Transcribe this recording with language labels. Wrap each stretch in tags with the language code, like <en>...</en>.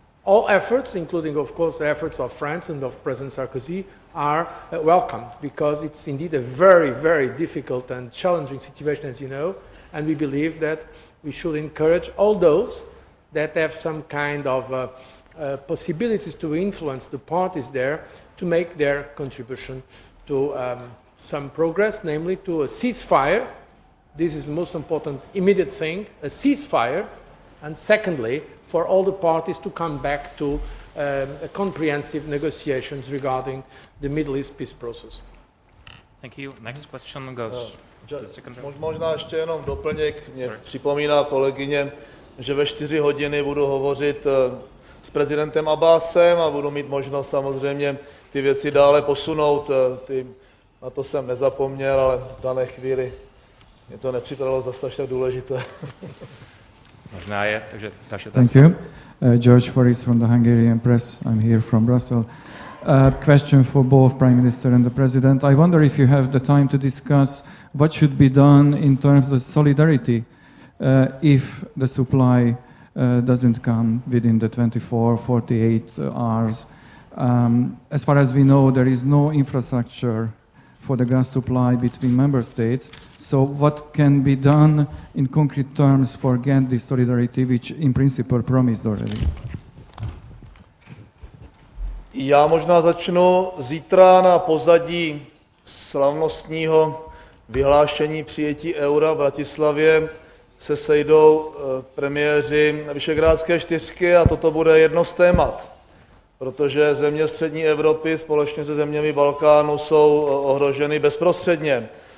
<en>All efforts, including of course the efforts of France and of President Sarkozy, are welcomed because it's indeed a very, very difficult and challenging situation, as you know, and we believe that we should encourage all those that have some kind of possibilities to influence the parties there to make their contribution to some progress, namely to a ceasefire. This is the most important immediate thing, a ceasefire. And secondly, for all the parties to come back to comprehensive negotiations regarding the Middle East peace process. Thank you. Next question goes.</en> <cs>Možná ještě jenom doplněk. Mě připomíná kolegyně, že ve 4 hodiny budu hovořit s prezidentem Abbasem a budu mít možnost samozřejmě ty věci dále posunout. Ty Na to jsem nezapomněl, ale v dané chvíli mě to nepřipadalo zase až tak důležité. Možná je, takže další otázka.</cs> <en>Thank you. George Foris from the Hungarian Press. I'm here from Brussels. Question for both Prime Minister and the President. I wonder if you have the time to discuss what should be done in terms of solidarity if the supply doesn't come within the 24-48 hours. As far as we know, there is no infrastructure for the gas supply between member states. So what can be done in concrete terms for getting this solidarity, which in principle promised already?</en> <cs>Já možná začnu zítra na pozadí slavnostního vyhlášení přijetí eura v Bratislavě. Se sejdou premiéři Visegrádské čtyřky a toto bude jedno z témat, protože země střední Evropy společně se zeměmi Balkánu jsou ohroženy bezprostředně.</cs>